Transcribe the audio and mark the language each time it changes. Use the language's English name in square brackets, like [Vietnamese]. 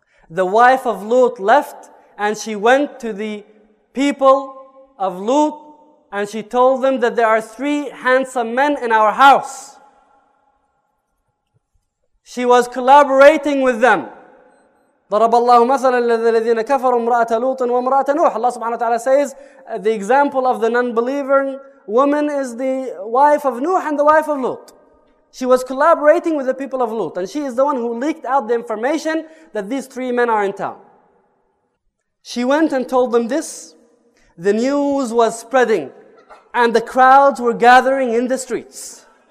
[English] The wife of Lut left and she went to the people of Lut, and she told them that there are 3 handsome men in our house. She was collaborating with them. [Arabic] ضرب الله مثلا الذين كفروا امرأة لوط وامرأة نوح. [English] Allah subhanahu wa ta'ala says the example of the non-believer woman is the wife of Nuh and the wife of Lut. She was collaborating with the people of Lut, and she is the one who leaked out the information that these 3 men are in town. She went and told them this. The news was spreading and the crowds were gathering in the streets.